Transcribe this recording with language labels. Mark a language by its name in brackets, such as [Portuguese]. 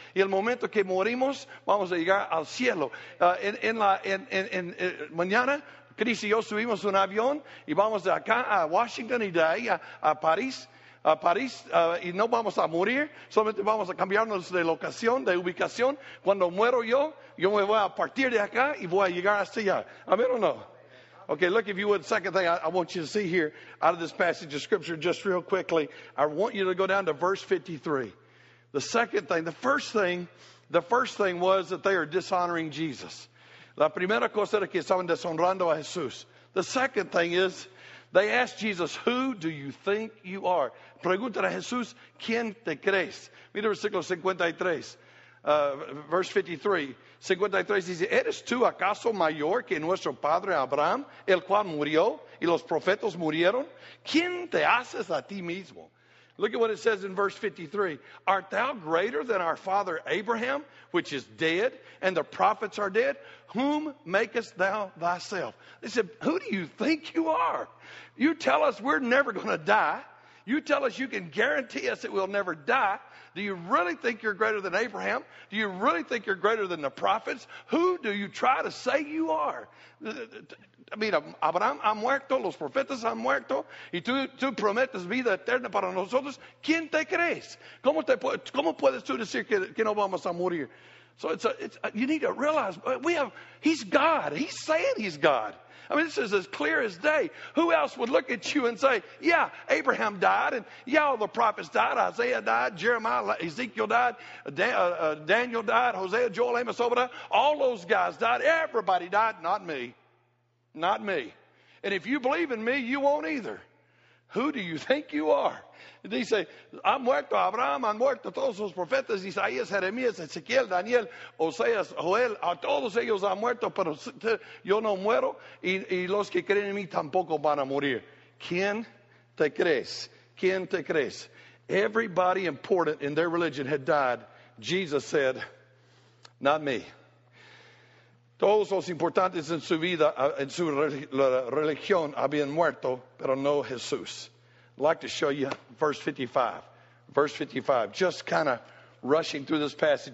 [Spanish] Y el momento que morimos, vamos a llegar al cielo. Mañana, Cristo y yo subimos un avión y vamos de acá a Washington y de ahí a París, y no vamos a morir, solamente vamos a cambiarnos de locación, de ubicación. Cuando muero yo, yo me voy a partir de acá y voy a llegar hasta allá. ¿Amén o no? [English] Okay, look, if you would, second thing I want you to see here out of this passage of Scripture just real quickly. I want you to go down to verse 53. The second thing, the first thing was that they are dishonoring Jesus. [Spanish] La primera cosa era que estaban deshonrando a Jesús. [English] The second thing is they asked Jesus, who do you think you are? [Spanish] Pregunta a Jesús, ¿quién te crees? Mira el versículo 53. Verse 53 dice, ¿eres tú acaso mayor que nuestro padre Abraham, el cual murió y los profetas murieron? ¿Quién te haces a ti mismo? [English] Look at what it says in verse 53. Art thou greater than our father Abraham, which is dead, and the prophets are dead? Whom makest thou thyself? They said, who do you think you are? You tell us we're never going to die. You tell us you can guarantee us that we'll never die. Do you really think you're greater than Abraham? Do you really think you're greater than the prophets? Who do you try to say you are? [Spanish] I mean, Abraham ha muerto, los profetas han muerto, y tú prometes vida eterna para nosotros. ¿Quién te crees? ¿Cómo puedes tú decir que no vamos a morir? [English] So you need to realize he's God. He's saying he's God. I mean, this is as clear as day. Who else would look at you and say, yeah, Abraham died, and yeah, all the prophets died. Isaiah died, Jeremiah, Ezekiel died, Daniel died, Hosea, Joel, Amos, Obadiah. All those guys died. Everybody died. Not me. Not me. And if you believe in me, you won't either. Who do you think you are? And he say, [Spanish] I'm muerto, Abraham, I'm muerto, todos los profetas, Isaías, Jeremías, Ezequiel, Daniel, Oseas, Joel, a todos ellos han muerto, pero yo no muero, y los que creen en mí tampoco van a morir. ¿Quién te crees? ¿Quién te crees? [English] Everybody important in their religion had died. Jesus said, not me. [Spanish] Todos los importantes en su vida, en su religión, habían muerto, pero no Jesús. [English] I'd like to show you verse 55. Verse 55, just kind of rushing through this passage.